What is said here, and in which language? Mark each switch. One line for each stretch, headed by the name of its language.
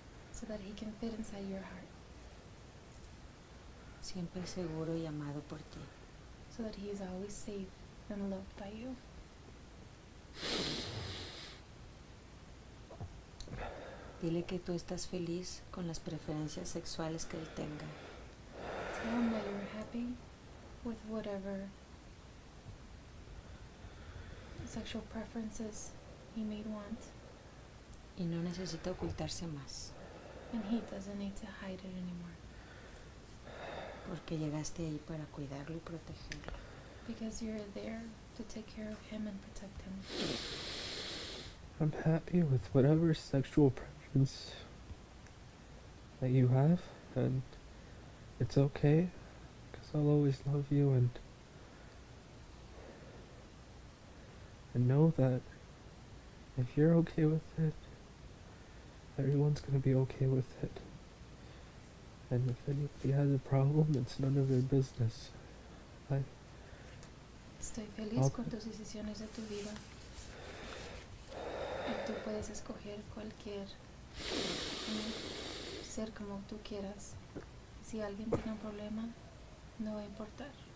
English: So that he can fit inside your heart.
Spanish: Siempre seguro y amado por ti.
English: So that he is always safe and loved by you.
Spanish: Dile que tú estás feliz con las preferencias sexuales que él tenga.
English: Tell him that you're happy with whatever sexual preferences he may want.
Spanish: Y no necesita ocultarse más.
English: And he doesn't need to hide it anymore.
Spanish: Porque llegaste ahí para cuidarlo y protegerlo.
English: Because you're there to take care of him and protect him. I'm happy with whatever sexual preference that you have, and it's okay, because I'll always love you and know that if you're okay with it, everyone's gonna be okay with it. And if anybody has a problem, it's none of their business.
Spanish: Estoy feliz con tus decisiones de tu vida. Y tú puedes escoger cualquier ser como tú quieras. Si alguien tiene un problema, no va a importar.